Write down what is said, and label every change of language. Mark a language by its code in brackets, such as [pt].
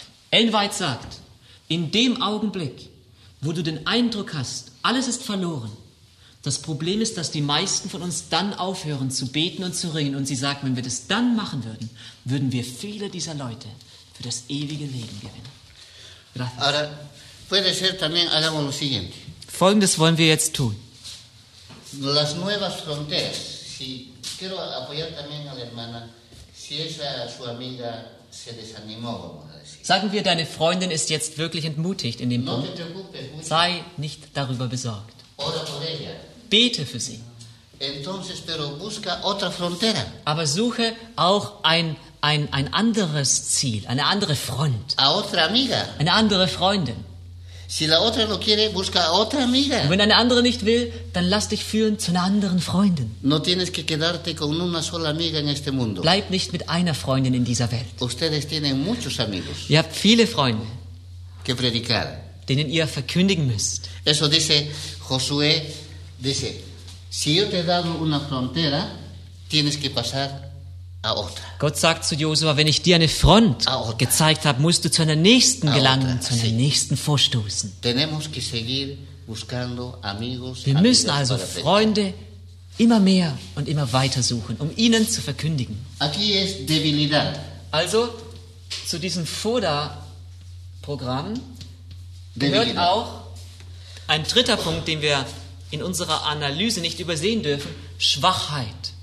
[de] Ellen White sagt, in dem Augenblick, wo du den Eindruck hast, alles ist verloren, das Problem ist, dass die meisten von uns dann aufhören zu beten und zu ringen und sie sagt, wenn wir das dann machen würden, würden wir viele dieser Leute für das ewige Leben gewinnen. [es] Gracias. Ahora, puede ser también, hagamos lo siguiente. [de] Folgendes wollen wir jetzt tun. [es] Las nuevas fronteras. Si quiero apoyar también a la hermana, si esa su amiga se desanimó, vamos a decir. [de] Sagen wir, deine Freundin ist jetzt wirklich entmutigt in dem no Punkt. Sei nicht darüber besorgt. Bete für sie. [es] Entonces, pero busca otra frontera. [de] Aber suche auch ein anderes Ziel, eine andere Front. [es] A otra amiga. [de] Eine andere Freundin. [es] Si la otra no quiere, busca otra amiga. [de] Und wenn eine andere nicht will, dann lass dich führen zu einer anderen Freundin. [es] No tienes que quedarte con una sola amiga en este mundo. [de] Bleib nicht mit einer Freundin in dieser Welt. [es] Ustedes tienen muchos amigos. [de] Ihr habt viele Freunde. [es] Que predicar. [de] Denen ihr verkündigen müsst. [es] Eso dice Josué, dice, si yo te he dado una frontera, tienes que pasar a otra. [de] Gott sagt zu Josua, wenn ich dir eine Front gezeigt habe, musst du zu einer nächsten gelangen, zu einer nächsten vorstoßen. [es] Tenemos que seguir buscando amigos. [de] Wir müssen also Freunde immer mehr und immer weiter suchen, um ihnen zu verkündigen. [es] Aquí es debilidad. [de] Also zu diesem FODA-Programm gehört auch ein dritter Punkt, den wir in unserer Analyse nicht übersehen dürfen, Schwachheit.